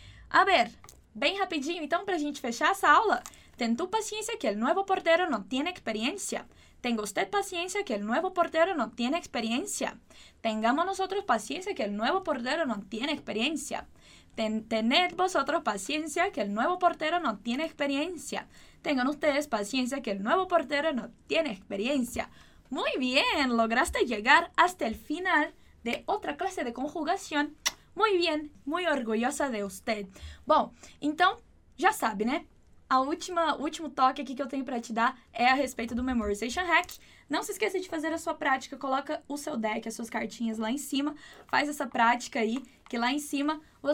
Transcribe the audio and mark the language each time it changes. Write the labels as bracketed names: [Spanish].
[Portuguese] A ver, bem rapidinho, então, para a gente fechar essa aula. [Spanish] Ten tu paciência que el nuevo portero no tiene experiencia. Tenga usted paciência que el nuevo portero no tiene experiencia. Tengamos nosotros paciência que el nuevo portero no tiene experiencia. Tened vosotros paciência que el nuevo portero no tiene experiencia. Tengan ustedes paciência que el nuevo portero no tiene experiencia. Muy bien, lograste llegar hasta el final [Portuguese] de outra classe [Spanish] de conjugação. Muy bien, muy orgullosa de usted. [Portuguese] Bom, então, já sabe, né? O último toque aqui que eu tenho para te dar é a respeito do Memorization Hack. Não se esqueça de fazer a sua prática, coloca o seu deck, as suas cartinhas lá em cima, faz essa prática aí, que lá em cima você vai ter todas essas conjugações bem mastigadinhas aí para você.